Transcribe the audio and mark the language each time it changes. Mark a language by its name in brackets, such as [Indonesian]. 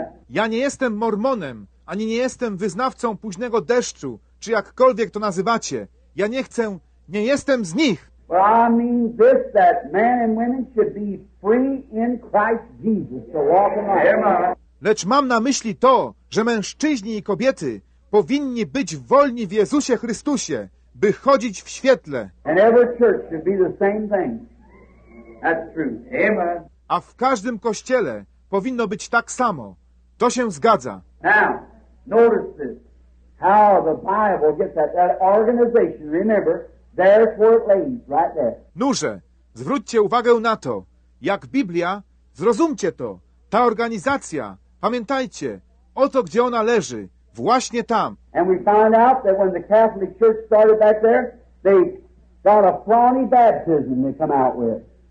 [Polish] ja nie jestem mormonem, ani nie jestem wyznawcą późnego deszczu, czy jakkolwiek to nazywacie. Ja nie chcę, nie jestem z nich. [English] Well, I mean this, that men and women should be free in Christ Jesus to walk in life. [Polish] Lecz mam na myśli to, że mężczyźni i kobiety powinni być wolni w Jezusie Chrystusie, by chodzić w świetle. [English] And every church should be the same thing. That's true. Amen. [Polish] A w każdym kościele powinno być tak samo. To się zgadza. [English] Now, notice this. How the Bible gets that organization, remember, therefore it lays right there. [Polish] Nurze, zwróćcie uwagę na to, jak Biblia, zrozumcie to, ta organizacja, pamiętajcie, o to, gdzie ona leży, właśnie tam. [English] And we find out that when the Catholic Church started back there, they got a fawny baptism they come out with.